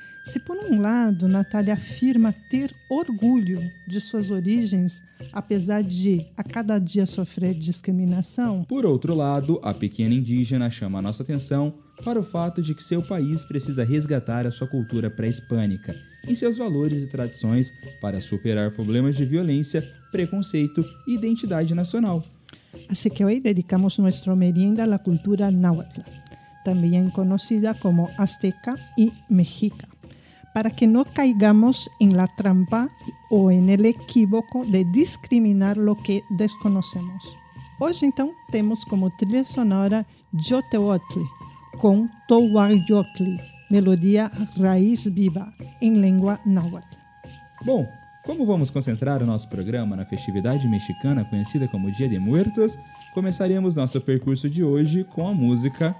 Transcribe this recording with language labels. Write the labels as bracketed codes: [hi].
[pt] Se por um lado Natália afirma ter orgulho de suas origens, apesar de a cada dia sofrer discriminação, por outro lado, a pequena indígena chama a nossa atenção para o fato de que seu país precisa resgatar a sua cultura pré-hispânica e seus valores e tradições para superar problemas de violência, preconceito e identidade nacional. [es] Así que hoy dedicamos nuestra merienda a la cultura náhuatl, también conocida como azteca y mexica, para que no caigamos en la trampa o en el equívoco de discriminar lo que desconocemos. [pt] Hoje, então, temos como trilha sonora Yoteotli com Towayotli, melodia raiz viva, em língua náhuatl. Bom, como vamos concentrar o nosso programa na festividade mexicana conhecida como Dia de Muertos, começaremos nosso percurso de hoje com a música